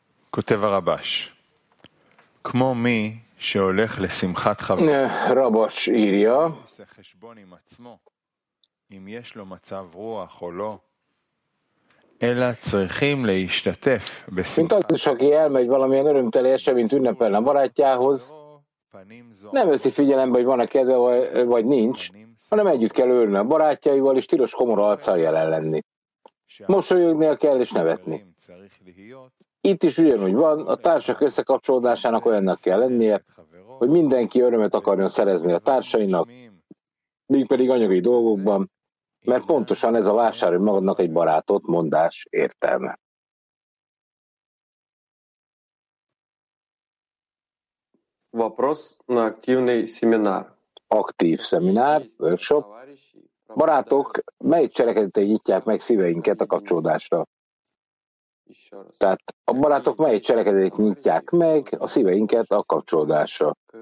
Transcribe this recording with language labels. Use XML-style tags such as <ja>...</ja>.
<he>כותב הרבש, כמו מי שהולך לשמחת חברו, רבש איריה, עושה חשבון עם עצמו, אם יש לו מצב רוח או לא, אלא צריכים להשתתף בשמחה.</he> <hu>Mint az is, aki elmegy valamilyen örömteljeseményt ünnepelni a barátjához, nem veszi figyelembe, hogy van-e kedve, vagy nincs, hanem együtt kell örülni a barátjaival, és tilos komora arccal jelen lenni. Mosolyognia kell, és nevetni. Itt is ugyanúgy van, a társak összekapcsolódásának olyannak kell lennie, hogy mindenki örömet akarjon szerezni a társainak, még pedig anyagi dolgokban, mert pontosan ez a vásárolj magadnak egy barátot mondás értelme.</hu> <ru>Вопрос на активный семинар.</ru> <hu>Aktív szeminár, workshop. Barátok, mely cselekedetei nyitják meg szíveinket a kapcsolódásra? Tehát a barátok mely cselekedetei nyitják meg a szíveinket a kapcsolódásra?</hu>